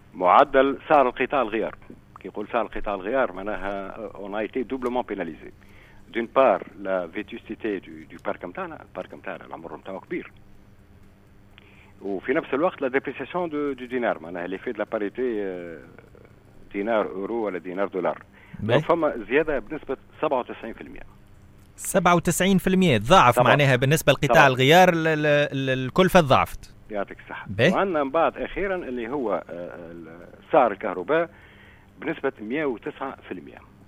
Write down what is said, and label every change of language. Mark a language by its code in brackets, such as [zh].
[ar] معدل صار القطاع الغيار، كي يقول صار القطاع الغيار معناها [fr] on a été doublement pénalisé. D'une part, la vétusté du parc [ar] نتاعنا، البارك نتاعنا العمر نتاعو كبير. وفي نفس الوقت [fr] la dépréciation du dinar، [ar] معناها [fr] l'effet de la parité dinar euro [ar] ولا [fr] dinar dollar. [ar] فما زيادة بنسبة 97%. 97% ضعف، معناها بالنسبة لقطاع الغيار الكلفة ضعفت. يعطيك الصحة. وعندنا بعد أخيرا اللي هو سعر الكهرباء بنسبة 109%.